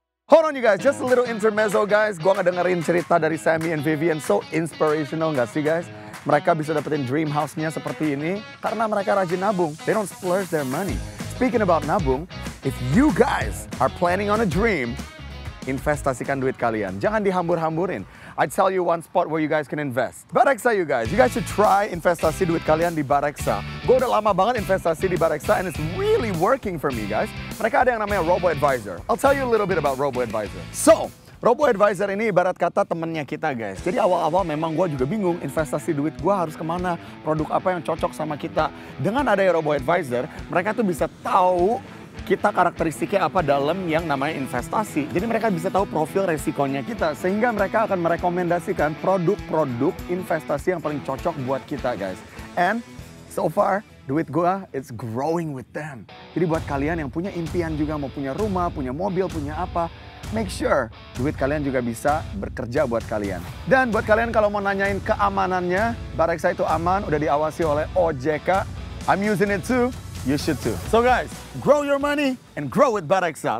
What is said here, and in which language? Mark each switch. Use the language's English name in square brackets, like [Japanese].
[English] Hold on you guys, just a little intermezzo guys. [Indonesian] Gua ngedengerin cerita dari Sammy and Vivian, [English] so inspirational [Indonesian] gak sih guys? Mereka bisa dapetin dream house-nya seperti ini karena mereka rajin nabung. [English] They don't splurge their money. Speaking about nabung, if you guys are planning on a dream, [Indonesian] investasikan duit kalian. Jangan dihambur-hamburin. [English] I tell you one spot where you guys can invest. Bareksa you guys. You guys should try [Indonesian] investasi duit kalian di Bareksa. Gue udah lama banget investasi di Bareksa [English] and it's really working for me guys. [Indonesian] Mereka ada yang namanya Robo Advisor. [English] I'll tell you a little bit about Robo Advisor. [Indonesian] So, Robo Advisor ini ibarat kata temennya kita guys. Jadi awal-awal memang gue juga bingung investasi duit gue harus kemana. Produk apa yang cocok sama kita. Dengan adanya Robo Advisor, mereka tuh bisa tahu kita karakteristiknya apa dalam yang namanya investasi. Jadi mereka bisa tahu profil resikonya kita. Sehingga mereka akan merekomendasikan produk-produk investasi yang paling cocok buat kita guys. [English] And so far, [Indonesian] duit gua [English] it's growing with them. [Indonesian] Jadi buat kalian yang punya impian juga, mau punya rumah, punya mobil, punya apa, [English] make sure [Indonesian] duit kalian juga bisa bekerja buat kalian. Dan buat kalian kalau mau nanyain keamanannya, Bareksa itu aman, udah diawasi oleh OJK. [English] I'm using it too. You should too. So guys, grow your money and grow with Bareksa.